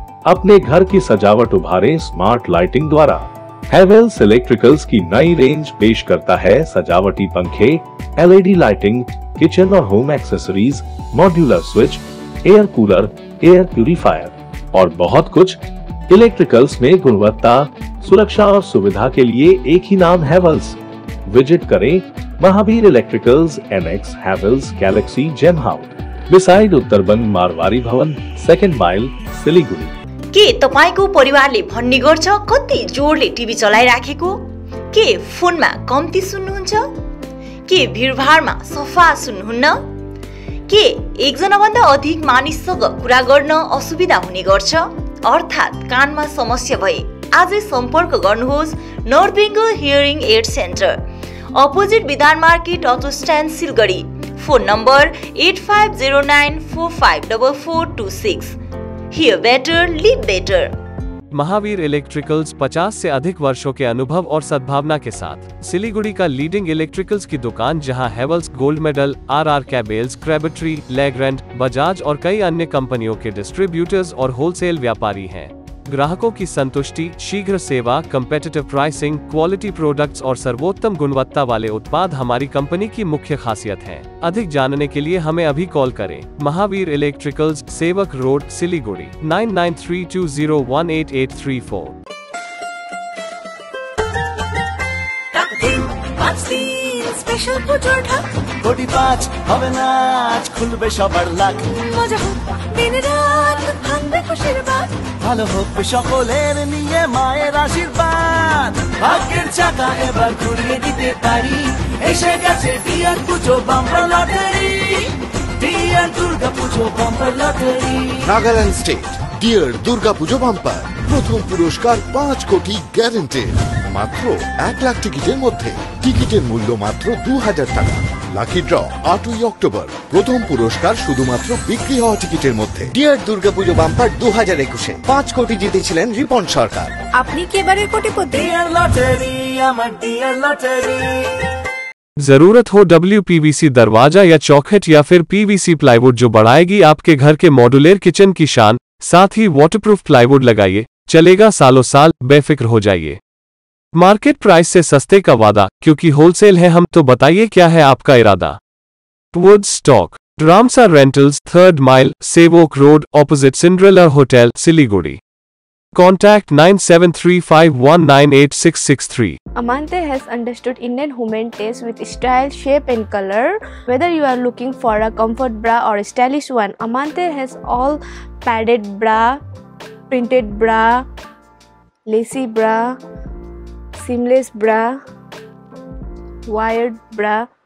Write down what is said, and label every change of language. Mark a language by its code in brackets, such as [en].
[hi] अपने घर की सजावट उभारे स्मार्ट लाइटिंग द्वारा। हैवेल्स इलेक्ट्रिकल्स की नई रेंज पेश करता है सजावटी पंखे, LED लाइटिंग, किचन और home accessories, modular switch, air cooler, air purifier और बहुत कुछ। इलेक्ट्रिकल्स में गुणवत्ता, सुरक्षा और सुविधा के लिए एक ही नाम हैवेल्स। विजिट करें Mahavir electricals, MX Havells Galaxy जेमहाउ beside Uttar Banga Marwari भवन 2nd mile सिलीगुड़ी। [ne] के तपाईको परिवारले भन्नी गर्छ कति जोडले टिभी चलाइराखेको? के फोनमा कम्ती सुन्नुहुन्छ? के भीडभाडमा सफा सुन्नुहुन्न? के एकजना भन्दा अधिक मानिससँग कुरा गर्न असुविधा हुने गर्छ? अर्थात् कानमा समस्या भए आज सम्पर्क गर्नुहोस् north Bengal hearing add centre, opposite विधान market auto stand Siliguri. Phone number 8509454426। [en] Hear better live better. [hi] Mahavir electricals 50 से अधिक वर्षों के अनुभव और सद्भावना के साथ सिलीगुड़ी का लीडिंग इलेक्ट्रिकल्स की दुकान, जहां Havells gold medal, RR कैबेल्स, क्रेबिट्री, लेग्रेंड, Bajaj और कई अन्य कंपनियों के डिस्ट्रीब्यूटर्स और होलसेल व्यापारी हैं। ग्राहकों की संतुष्टि, शीघ्र सेवा, कम्पेटिटिव प्राइसिंग, क्वालिटी प्रोडक्ट्स और सर्वोत्तम गुणवत्ता वाले उत्पाद हमारी कंपनी की मुख्य खासियत है। अधिक जानने के लिए हमें अभी कॉल करें। महावीर इलेक्ट्रिकल्स, सेवक रोड, सिलीगुड़ी, 9932018834। [bn] স্পেশাল পুজোর ঢাক, কোটি পাঁচ হবে নাচ, খুলবে সবার লাখ, মজা হোক দিন রাত, থাকবে খুশির বাঘ, ভালো হোক সকলের নিয়ে মায়ের আশীর্বাদ ভাগ্যের চাকা এবার ঘুরিয়ে দিতে পারি এসে গেছে ডিয়ার পুজো বাম্পার লটারি ডিয়ার দুর্গা পুজো bumper lottery Nagaland state deer Durga পুজো বাম্পার প্রথম পুরস্কার 5 কোটি গ্যারান্টেড মাত্র 1 লাখ টিকিটের মধ্যে টিকিটের মূল্য মাত্র 2,000 টাকা লাকি ড্র 8ই অক্টোবর প্রথম পুরস্কার শুধুমাত্র বিক্রি হওয়া টিকিটের মধ্যে ডিয়ার দুর্গাপুজো বাম্পার 2021 5 কোটি জিতেছিলেন রিপন সরকার আপনি কি এবারে কোটিপতি ডিয়ার লটারি আমার ডিয়ার লটারি [hi] जरूरत हो WPVC दरवाजा या चौखट या फिर PVC प्लाईवुड जो बढ़ाएगी आपके घर के मॉड्यूलर किचन की शान साथ ही वाटरप्रूफ प्लाईवुड लगाइए चलेगा सालों साल बेफिक्र हो जाइए मार्केट प्राइस से सस्ते का वादा क्योंकि होलसेल है हम तो बताइए क्या है आपका इरादा would stock Ramsa rentals 3rd mile Sevoke road opposite Cinderella hotel Siliguri Contact 9735198663. [en] Amante has understood Indian women taste with style, shape and color. Whether you are looking for a comfort bra or a stylish one, Amante has all padded bra, printed bra, lacy bra, seamless bra, wired bra.